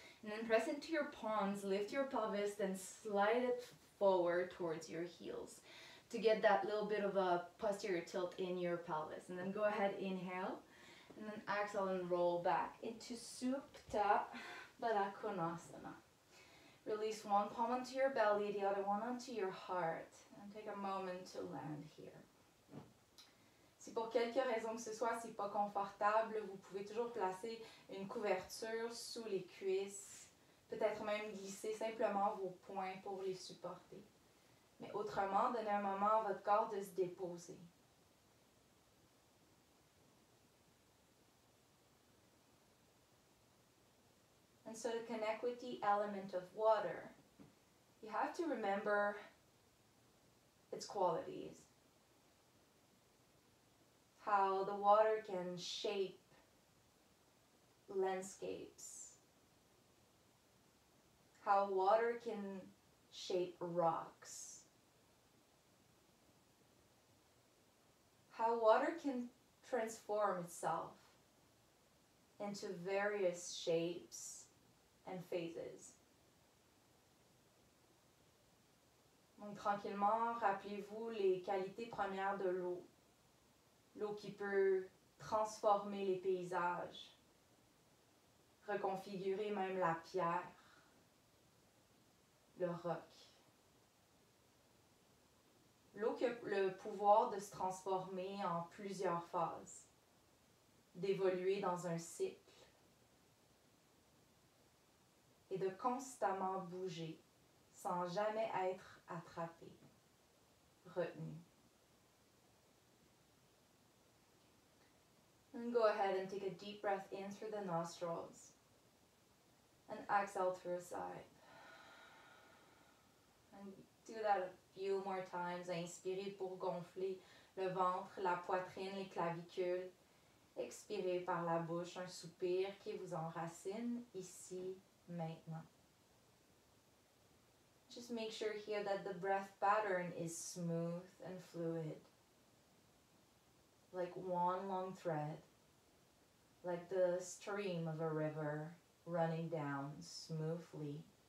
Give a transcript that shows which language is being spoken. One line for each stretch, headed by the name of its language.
English: And then press into your palms, lift your pelvis, then slide it forward towards your heels to get that little bit of a posterior tilt in your pelvis. And then go ahead, inhale, and then exhale and roll back into Supta Baddha. Release one palm onto your belly, the other one onto your heart. And take a moment to land here.
French: Si pour quelque raison que ce soit, c'est pas confortable, vous pouvez toujours placer une couverture sous les cuisses. Peut-être même glisser simplement vos poings pour les supporter. Mais autrement, donnez un moment à votre corps de se déposer.
English: And so to connect with the element of water, you have to remember its qualities. How the water can shape landscapes. How water can shape rocks. How water can transform itself into various shapes and phases.
French: Donc, tranquillement, rappelez-vous les qualités premières de l'eau. L'eau qui peut transformer les paysages, reconfigurer même la pierre, le roc. L'eau qui a le pouvoir de se transformer en plusieurs phases, d'évoluer dans un cycle et de constamment bouger sans jamais être attrapée, retenue.
English: And go ahead and take a deep breath in through the nostrils and exhale through a sigh. And do that a few more times.
French: Inspirez pour gonfler le ventre, la poitrine, les clavicules. Expirez par la bouche un soupir qui vous enracine ici, maintenant.
English: Just make sure here that the breath pattern is smooth and fluid, like one long thread. Like the stream of a river running down smoothly.